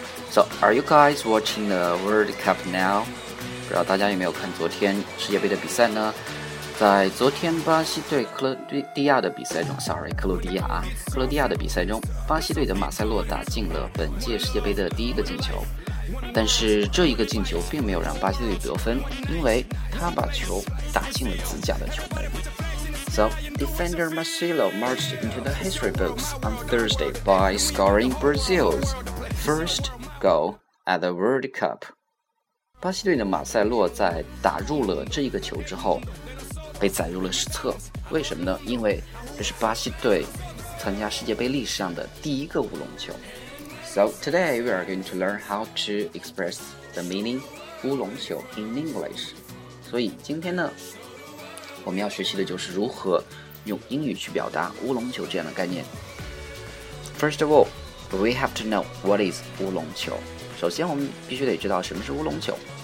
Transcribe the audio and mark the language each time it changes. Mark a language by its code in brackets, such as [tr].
[en] So, are you guys watching the World Cup now? [zh] 不知道大家有没有看昨天世界杯的比赛呢？在昨天巴西对克罗地亚的比赛中 ，sorry， 克罗地亚啊，克罗地亚的比赛中，巴西队的马塞洛打进了本届世界杯的第一个进球。但是这一个进球并没有让巴西队得分，因为他把球打进了自家的球门。 [en] So, defender Marcelo marched into the history books on Thursday by scoring Brazil's first goal at the World Cup. [zh] 巴西队的马塞洛在打入了这一个球之后，被载入了史册。为什么呢？因为这是巴西队参加世界杯历史上的第一个乌龙球。 [en] So, today we are going to learn how to express the meaning 乌龙球 in English. [zh] 所以今天呢我们要学习的就是如何用英语去表达乌龙球这样的概念。 [en] First of all, we have to know what is 乌龙球。 [zh] 首先我们必须得知道什么是乌龙球。